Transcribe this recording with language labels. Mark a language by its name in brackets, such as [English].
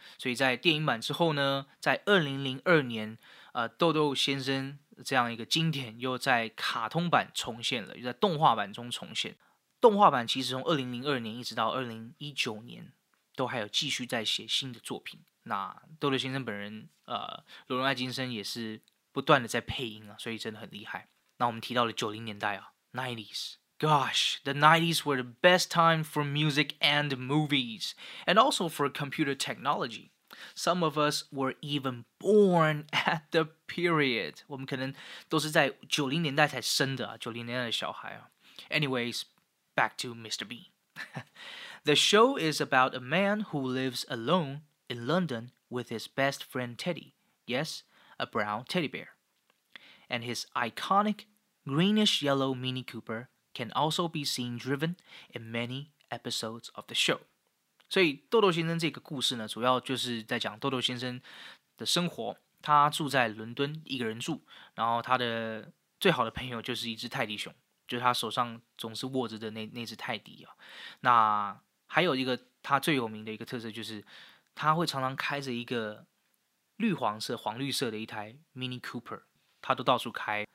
[Chinese] 所以在电影版之后呢，在2002年、豆豆先生这样一个经典又在卡通版重现了，又在动画版中重现。动画版其实从2002年一直到2019年都还有继续在写新的作品，那豆豆先生本人罗伦·艾金森也是不断的在配音啊，所以真的很厉害。那我们提到了90年代啊 [English] 90s Gosh, the 90s were the best time for music and movies and also for computer technology. Some of us were even born at the period. [Chinese] 我们可能都是在90年代才生的啊，90年代的小孩啊。 [English] AnywaysBack to Mr. Bean. The show is about a man who lives alone in London with his best friend Teddy. Yes, a brown teddy bear. And his iconic greenish-yellow Mini Cooper can also be seen driven in many episodes of the show. [Chinese] 所以豆豆先生这个故事呢，主要就是在讲豆豆先生的生活。他住在伦敦，一个人住，然后他的最好的朋友就是一只泰迪熊。就是他手上总是握着的那只泰迪啊，那还有一个他最有名的一个特色就是，他会常常开着一个黄绿色的一台 Mini Cooper， 他都到处开。